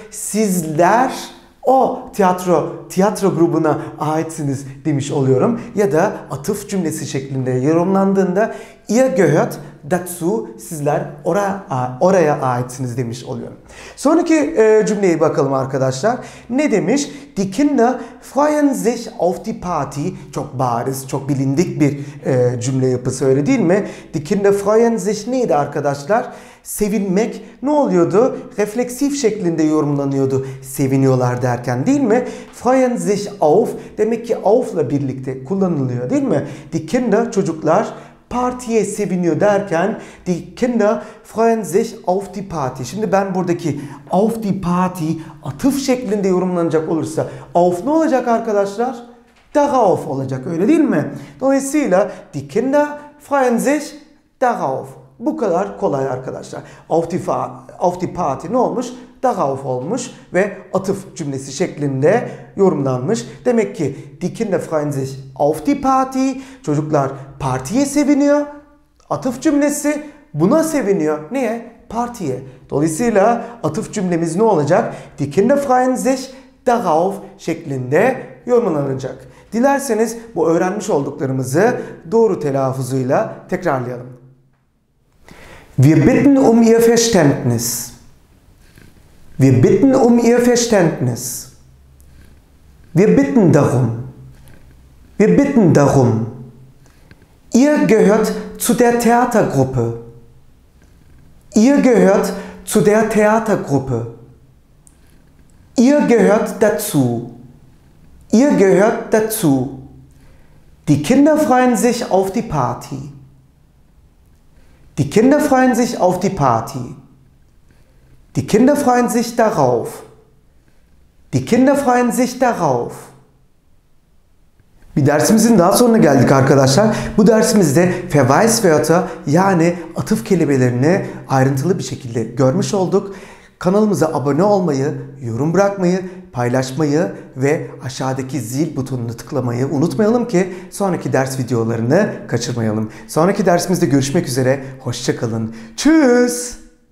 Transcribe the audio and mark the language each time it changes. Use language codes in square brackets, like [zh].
[tr] Sizler o tiyatro grubuna aitsiniz demiş oluyorum. Ya da atıf cümlesi şeklinde yorumlandığında [de] ihr gehört dazu, [tr] sizler oraya aitsiniz demiş oluyorum. Sonraki cümleyi bakalım arkadaşlar. Ne demiş? [de] Die Kinder freuen sich auf die Party. [tr] Çok bariz, çok bilindik bir cümle yapısı, öyle değil mi? [de] Die Kinder freuen sich [tr] neydi arkadaşlar? Sevinmek ne oluyordu? Refleksif şeklinde yorumlanıyordu. Seviniyorlar derken, değil mi? Freuen sich auf, demek ki auf'la birlikte kullanılıyor, değil mi? [de] Die Kinder, [tr] çocuklar partiye seviniyor derken [de] die Kinder freuen sich auf die Party. [tr] Şimdi ben buradaki auf die Party atıf şeklinde yorumlanacak olursa auf ne olacak arkadaşlar? Darauf olacak, öyle değil mi? Dolayısıyla [de] die Kinder freuen sich darauf. [tr] Bu kadar kolay arkadaşlar. [de] Auf die Party [tr] ne olmuş? Darauf olmuş ve atıf cümlesi şeklinde yorumlanmış. Demek ki [de] die Kinder freuen sich auf die Party. [tr] Çocuklar partiye seviniyor. Atıf cümlesi buna seviniyor. Niye? Partiye. Dolayısıyla atıf cümlemiz ne olacak? [de] Die Kinder freuen sich darauf [tr] şeklinde yorumlanacak. Dilerseniz bu öğrenmiş olduklarımızı doğru telaffuzuyla tekrarlayalım. [de] Wir bitten um Ihr Verständnis. Wir bitten um Ihr Verständnis. Wir bitten darum. Wir bitten darum. Ihr gehört zu der Theatergruppe. Ihr gehört zu der Theatergruppe. Ihr gehört dazu. Ihr gehört dazu. Die Kinder freuen sich auf die Party. Die Kinder freuen sich auf die Party. Die Kinder freuen sich darauf. Die Kinder freuen sich darauf. [tr] Bir dersimizin daha sonuna geldik arkadaşlar. Bu dersimizde Verweiswörter, yani atıf kelimelerini ayrıntılı bir şekilde görmüş olduk. Kanalımıza abone olmayı, yorum bırakmayı, paylaşmayı ve aşağıdaki zil butonunu tıklamayı unutmayalım ki sonraki ders videolarını kaçırmayalım. Sonraki dersimizde görüşmek üzere. Hoşça kalın. Tschüss.